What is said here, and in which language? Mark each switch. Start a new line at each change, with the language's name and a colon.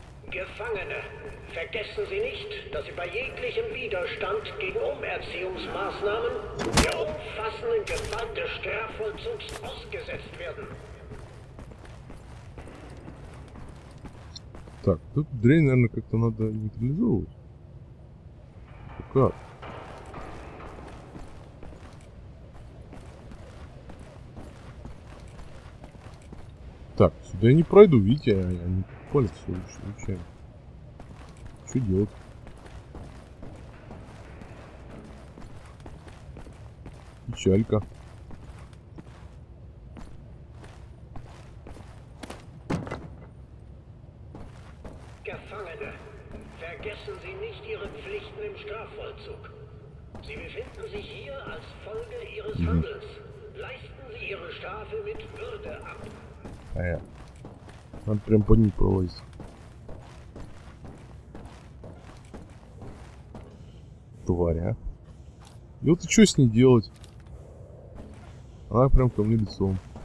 German: Gefangene, vergessen Sie nicht, dass Sie bei jeglichem Widerstand gegen Umerziehungsmaßnahmen der umfassenden Gefangenenstrafvollzugs ausgesetzt werden.
Russian: Так, тут дрянь, наверное, как-то надо нейтрализовывать. Как? Да я не пройду, видите, я не палец лучше. Что делать? Печалька.
German: Gefangene, vergessen Sie nicht Ihre Pflichten im Strafvollzug. Sie befinden sich hier als Folge Ihres Handels. Leisten Sie Ihre Strafe mit Würde ab.
Russian: А я. Надо прям по ней пролазить. Тварь, а. И вот и что с ней делать? Она прям ко мне лицом.